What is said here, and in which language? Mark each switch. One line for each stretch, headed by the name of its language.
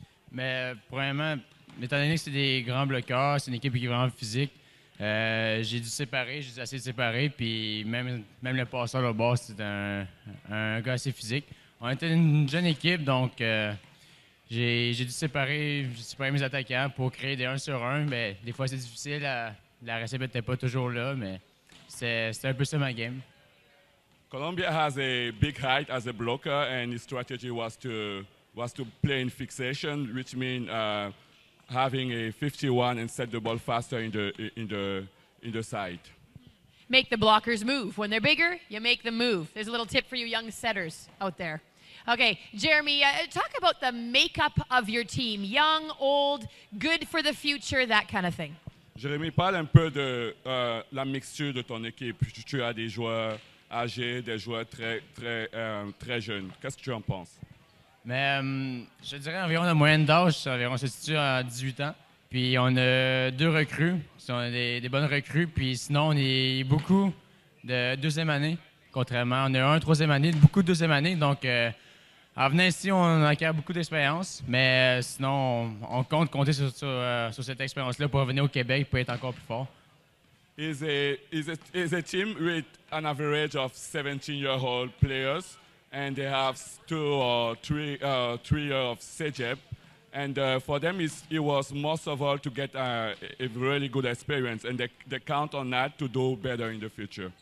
French: Mais premièrement, étant donné que c'est des grands bloqueurs, c'est une équipe qui est vraiment physique, j'ai dû séparer, j'ai dû assez séparer, puis même le passeur au bas, c'est un gars assez physique. On était une jeune équipe, donc j'ai dû séparer, mes attaquants pour créer des 1 sur 1, mais des fois c'est difficile, la réception n'était pas toujours là, mais c'est un peu ça ma game.
English: Colombia has a big height as a blocker, and his strategy was to play in fixation, which means having a 51 and set the ball faster in the side. Make the blockers move. When they're bigger, you make them move. There's a little tip for you young setters out there. Okay, Jeremy, talk about the makeup of your team. Young, old, good for the future, that kind of thing.
French: Jeremy, parle un peu de la mixture de ton équipe. Tu as des joueurs âgé, des joueurs très jeunes. Qu'est-ce que tu en penses? Mais je dirais environ la moyenne d'âge, environ, on se situe à 18 ans. Puis on a deux recrues, qui sont des bonnes recrues. Puis sinon, on est beaucoup de deuxième année, contrairement. On a un troisième année, beaucoup de deuxième année. Donc, en venant ici, on acquiert beaucoup d'expérience. Mais sinon, on compte compter sur cette expérience-là pour revenir au Québec pour être encore plus fort.
English: Is a team with an average of 17-year-old players, and they have two or three years of CEGEP. And for them, it was most of all to get a really good experience, and they count on that to do better in the future.